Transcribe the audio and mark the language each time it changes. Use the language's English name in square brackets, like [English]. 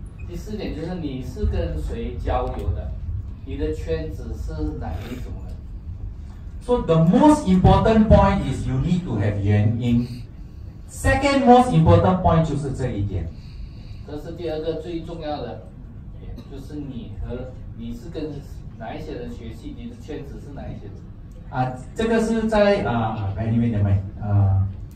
[Chinese] 第四点就是你是跟谁交流的，你的圈子是哪一种人。 [English] So the most important point is you need to have [Chinese] 原因。 [English] Second most important point [Chinese] 就是这一点。这是第二个最重要的点，就是你和你是跟哪一些人学习，你的圈子是哪一些人。啊，这个是在啊，美女们，姐妹啊。